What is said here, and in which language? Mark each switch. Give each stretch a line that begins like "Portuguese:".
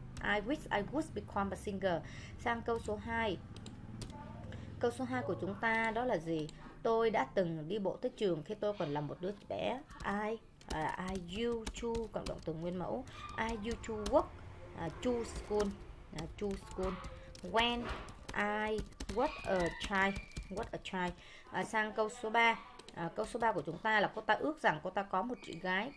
English: I would become a singer.
Vietnamese: Sang câu số 2, câu số 2 của chúng ta đó là gì? Tôi đã từng đi bộ tới trường khi tôi còn là một đứa bé.
English: I used to
Vietnamese: cộng động từ nguyên mẫu.
English: I used to walk to school when I was a child.
Vietnamese: Sang câu số 3, câu số 3 của chúng ta là cô ta ước rằng cô ta có một chị gái.